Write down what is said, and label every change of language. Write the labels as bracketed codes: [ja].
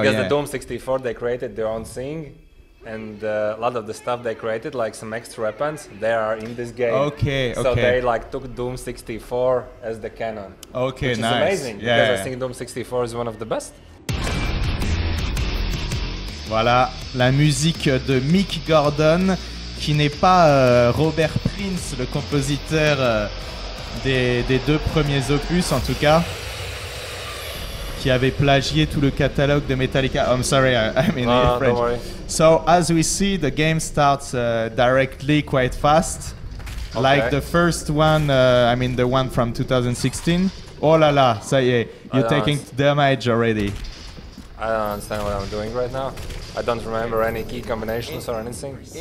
[en] because yeah. The Doom 64, they created their own thing. And a lot of the stuff they created, like some extra weapons, they are in this game. Okay. So they like took Doom 64 as the canon. Okay, which nice. Which is amazing, yeah, because yeah. I think Doom 64 is one of the best. [fr] Voilà, la musique de Mick Gordon, qui n'est pas Robert Prince, le compositeur des deux premiers opus en tout cas. Qui avait plagié tout le catalogue de Metallica. [en] I'm sorry, I'm in French. So, as we see, the game starts directly quite fast. Okay. Like the first one, the one from 2016. [fr] Oh là là, ça y est, [en] you're taking damage already. I don't understand what I'm doing right now. I don't remember any key combinations or anything.